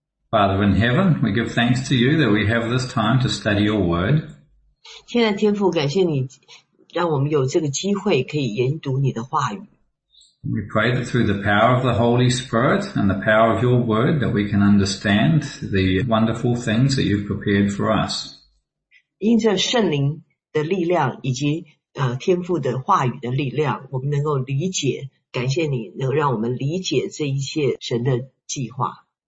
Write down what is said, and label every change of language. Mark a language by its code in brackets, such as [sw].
[en] Father in heaven, we give thanks to you that we have this time to study your word. [zh] 天父，感谢你让我们有这个机会可以研读你的话语。 [en] We pray that through the power of the Holy Spirit and the power of your word that we can understand the wonderful things that you've prepared for us. [zh] 因着圣灵的力量以及天父的话语的力量，我们能够理解，感谢你能让我们理解这一切神的计划。